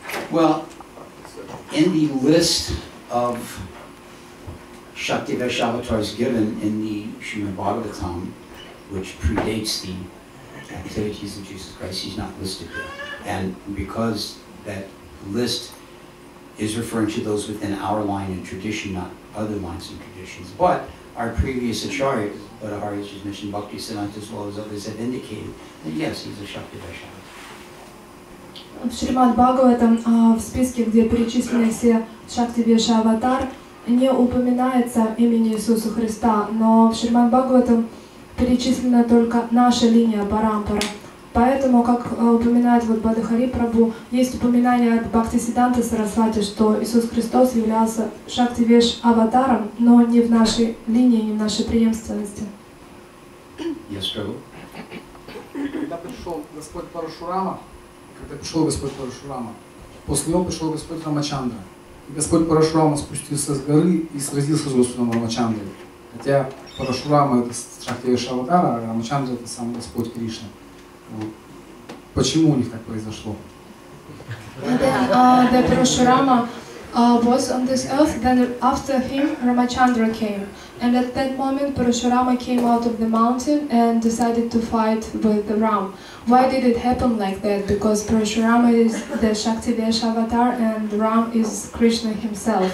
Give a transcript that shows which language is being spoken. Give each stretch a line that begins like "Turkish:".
English: Well, in the list of Shakti Vesha avatars given in the Srimad Bhagavatam, which predates the activities of Jesus Christ, he's not listed there. And because that list is referring to those within our line and tradition, not other lines and traditions, but our previous acharya, Bhadaharya Sri Mission Bhakti Siddhanta, as well as others, have indicated that yes, he's a Shakti Vesha.
Russian: В Шримад Бхагаватам, в списке, где перечислены все Шакти Веша Аватар, не упоминается имени Иисуса Христа, но в Шримад Бхагаватам перечислена только наша линия Парампара. Поэтому, как упоминает вот Бадахари Прабу, есть упоминание от Бхакти Сиданта Сарасвати, что Иисус Христос являлся Шакти Веш Аватаром, но не в нашей линии, не в нашей преемственности.
English: Yes, Prabhu.
Russian: Когда пришел Господь Парашурама, после него пришел Господь Рамачандра. И Господь Парашурама спустился с горы и сразился с Господом Рамачандрой. Хотя Парашурама — это Шакти Веша Аватара, а Рамачандра — это сам Господь Кришна. Почему у них так произошло?
English: Then Parashurama was on this earth, then after him Ramachandra came. And at that moment Parashurama came out of the mountain and decided to fight with the Ram. Why did it happen like that? Because Parashurama is the Shakti Vesha avatar and Ram is Krishna himself.